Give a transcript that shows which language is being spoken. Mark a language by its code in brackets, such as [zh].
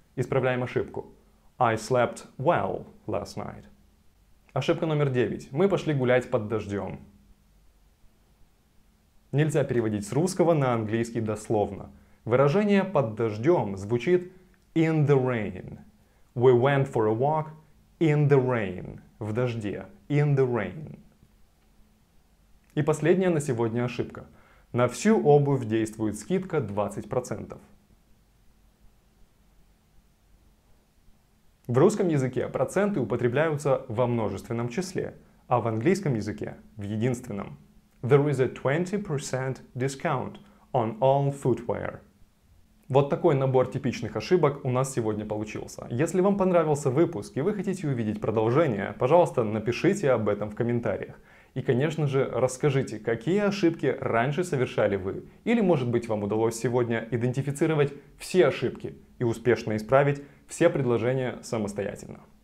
[ru] Исправляем ошибку. [en] I slept well last night. [ru] Ошибка номер 9. Мы пошли гулять под дождем. Нельзя переводить с русского на английский дословно. Выражение «под дождем» звучит [en] in the rain. We went for a walk in the rain. [ru] В дожде. [en] In the rain. [ru] И последняя на сегодня ошибка. На всю обувь действует скидка 20%. В русском языке проценты употребляются во множественном числе, а в английском языке в единственном. [en] There is a 20% discount on all footwear. [ru] Вот такой набор типичных ошибок у нас сегодня получился. Если вам понравился выпуск и вы хотите увидеть продолжение, пожалуйста, напишите об этом в комментариях. И, конечно же, расскажите, какие ошибки раньше совершали вы. Или, может быть, вам удалось сегодня идентифицировать все ошибки и успешно исправить все предложения самостоятельно.